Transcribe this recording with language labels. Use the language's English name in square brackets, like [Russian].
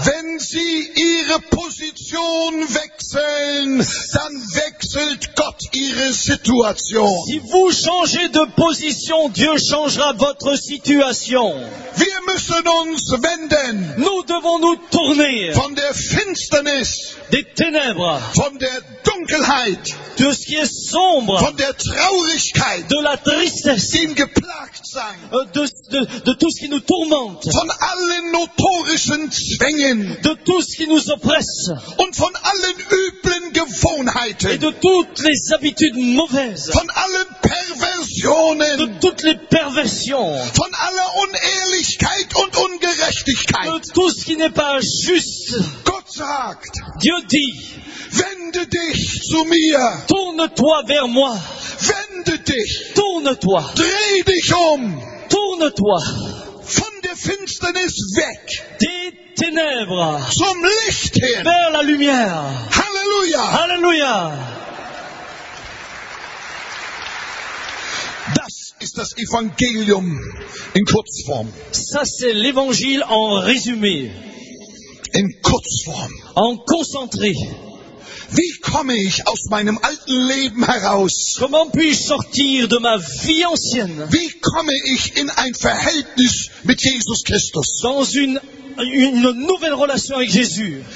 [German] Wenn Sie Ihre Position wechseln, dann wechselt Gott Ihre Situation. [French] Si vous changez de position, Dieu changera votre situation. [German] Wir müssen uns wenden. [French] Nous devons nous tourner. [German] Von der Finsternis. [French] Des ténèbres. [German] Von der Dunkelheit. [French] De ce qui est sombre. [German] Von der Traurigkeit. [French] De la tristesse. [German] Dem geplagt sein. [French] De tout ce qui nous tourmente. [German] Von allen notorischen Zwängen. [French] De tout ce qui nous oppresse. [German] Und von allen üblen Gewohnheiten. [French] Et de toutes les habitudes mauvaises. [German] Von allen Perversionen. [French] De toutes les perversions. [German] Von aller Unehrlichkeit und Ungerechtigkeit. [French] De tout ce qui n'est pas juste. [German] Gott sagt. [French] Dieu dit. [German] Wende dich zu mir. [French] Tourne-toi vers moi. [German] Wende dich. [French] Tourne-toi. [German] Dreh dich um. [French] Tourne-toi. [German] Von der Finsternis weg. [French] Des ténèbres. [German] Zum Licht hin. [French] Vers la lumière. [German] Halleluja. [French] Halleluja. [German] Das ist das Evangelium in Kurzform. [French] Ça, c'est l'évangile en résumé. [German] In Kurzform. [French] En concentré. [German] Wie komme ich aus meinem alten Leben heraus? [French] Comment puis-je sortir de ma vie ancienne? [German] Wie komme ich in ein Verhältnis mit Jesus Christus? [French] Dans une nouvelle relation avec Jésus.